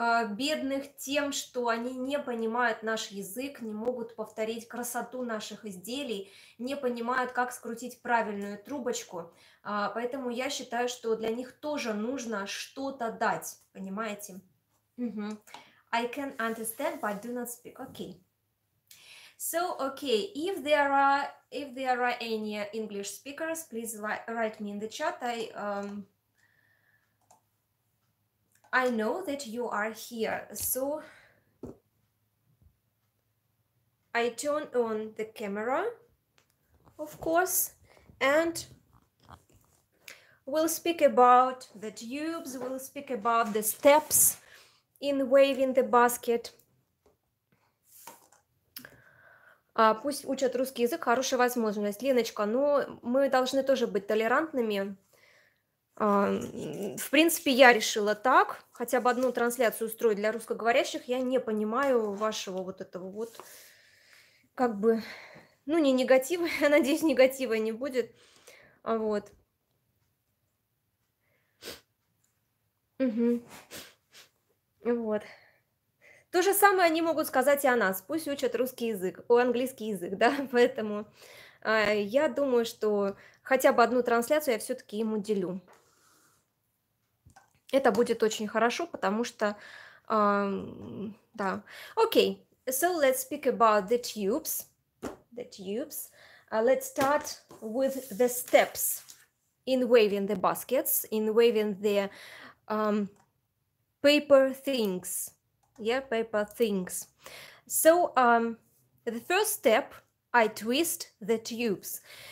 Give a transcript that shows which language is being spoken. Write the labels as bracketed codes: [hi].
[ru] Бедных тем, что они не понимают наш язык, не могут повторить красоту наших изделий, не понимают, как скрутить правильную трубочку. Поэтому я считаю, что для них тоже нужно что-то дать, понимаете? [en] I can understand, but do not speak. Okay. So, okay, if there are any English speakers, please write me in the chat. I know that you are here, so I turn on the camera, of course, and we'll speak about the tubes, we'll speak about the steps in waving the basket. [ru] Пусть учат русский язык, хорошая возможность, Леночка, но мы должны тоже быть толерантными. В принципе, я решила так, хотя бы одну трансляцию устроить для русскоговорящих, я не понимаю вашего вот этого вот, как бы, ну, не негатива, я надеюсь, негатива не будет, вот. Угу. Вот. То же самое они могут сказать и о нас. Пусть учат русский язык, о, английский язык, да, поэтому я думаю, что хотя бы одну трансляцию я все-таки им уделю. Это будет очень хорошо, потому что, да. [en] Окей, so let's speak about the tubes. The tubes. Let's start with the steps in waving the baskets, in waving the paper things. Yeah, paper things. So, the first step, I twist the tubes.